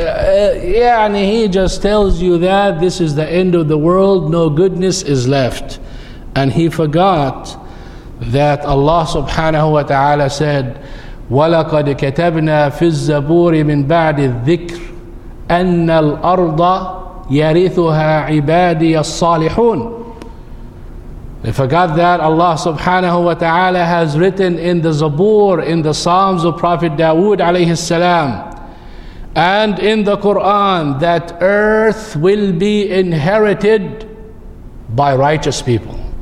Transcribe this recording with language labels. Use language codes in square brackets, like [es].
[en] And he just tells you that this is the end of the world, no goodness is left. And he forgot that Allah subhanahu wa ta'ala said, [ar] وَلَقَدْ كَتَبْنَا فِي الزَّبُورِ مِنْ بَعْدِ الذِّكْرِ أَنَّ الْأَرْضَ يَرِثُهَا عِبَادِيَ الصَّالِحُونَ. [en] They forgot that Allah subhanahu wa ta'ala has written in the Zabur, in the Psalms of Prophet Dawood alayhi salam, and in the Quran, that earth will be inherited by righteous people.